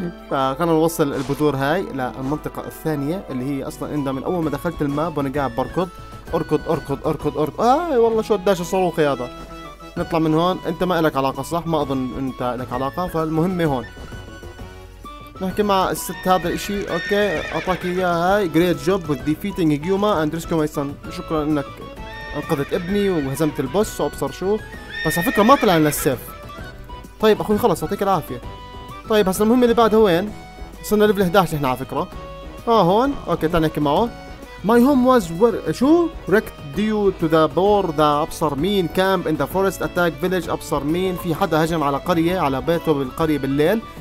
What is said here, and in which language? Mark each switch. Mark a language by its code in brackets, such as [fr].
[ar] فخلنا نوصل البذور هاي للمنطقة الثانية اللي هي أصلا عندها من أول ما دخلت الماب، وأنا قاعد بركض أركض أركض أركض أركض. والله شو قداش الصاروخي هذا. نطلع من هون، أنت ما إلك علاقة صح؟ ما أظن أنت إلك علاقة، فالمهمة هون. نحكي مع الست هذا الإشي، أوكي أعطاك إياها هاي. [en] Great job with defeating Higuma and rescue my son. [ar] شكرا إنك أنقذت إبني وهزمت البوس وأبصر شو. بس على فكرة ما طلع لنا السيف. طيب اخوي خلص، يعطيك العافيه. طيب هسه المهم اللي بعده وين؟ وصلنا ليفل 11 احنا على فكره. هون، اوكي تعال نحكي معه. [en] My home was شو؟ wrecked due to the boar that ابصر مين camp in the forest attack village. [ar] ابصر مين، في حدا هجم على قريه، على بيته بالقريه بالليل.